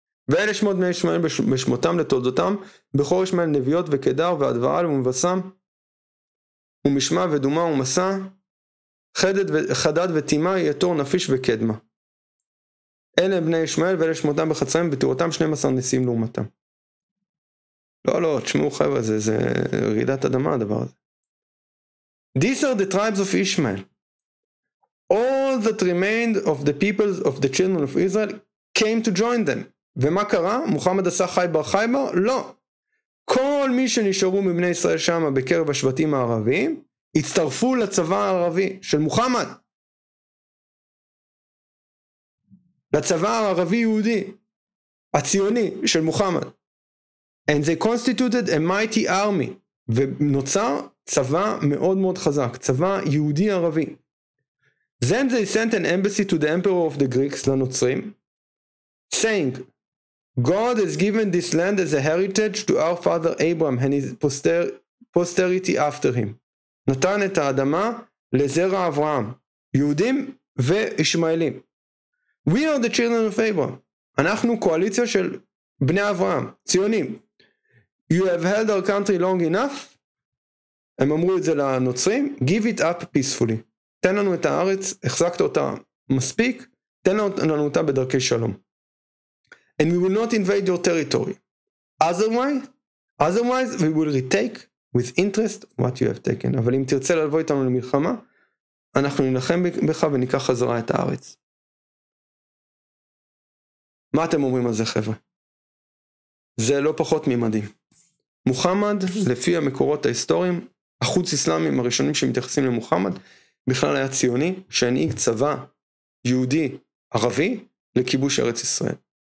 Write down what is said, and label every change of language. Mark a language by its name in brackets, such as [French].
[Hebrew] ואלה שמות בני ישמעאל בשמותם לתולדותם, בכור ישמעאל נביות וכדר והדבעל ומבשם, ומשמע ודומה ומסע, חדד ותימה, יתור, נפיש וקדמה. אלה בני ישמעאל ואלה שמותם בחצריהם, בתורתם 12 נשיאים לעומתם. לא, לא, תשמעו חבר'ה, זה רעידת אדמה הדבר הזה. [English] These are the tribes of Ishmael. All that remained of the peoples of the children of Israel came to join them. [Hebrew] ומה קרה? מוחמד עשה חייבר חייבר? לא. כל מי שנשארו מבני ישראל שם בקרב השבטים הערביים, הצטרפו לצבא הערבי של מוחמד. לצבא הערבי יהודי, הציוני של מוחמד. [English] And they constituted a mighty army. [Hebrew] ונוצר צבא מאוד מאוד חזק, צבא יהודי ערבי. [English] Then they sent an embassy to the emperor of the Greeks, [Hebrew] לנוצרים, [English] saying, God has given this land as a heritage to our father Abraham and his posterity after him. [Hebrew] נתן את האדמה לזרע אברהם, יהודים וישמעאלים. [English] We are the children of Abraham. [Hebrew] אנחנו קואליציה של בני אברהם, ציונים. [English] You have held our country long enough. [Hebrew] הם אמרו את זה לנוצרים. [English] Give it up peacefully. [Hebrew] תן לנו את הארץ, החזקת אותה מספיק, תן לנו אותה בדרכי שלום. [English] And we will not invade your territory. Otherwise, we will retake with interest what you have taken. [Hebrew] אבל אם תרצה לבוא איתנו למלחמה, אנחנו נלחם בך וניקח חזרה את הארץ. מה אתם אומרים על זה, חבר'ה? זה לא פחות ממדים. מוחמד, לפי המקורות ההיסטוריים, החוץ אסלאמים הראשונים שמתייחסים למוחמד, בכלל היה ציוני, שהנהיג צבא יהודי ערבי לכיבוש ארץ ישראל.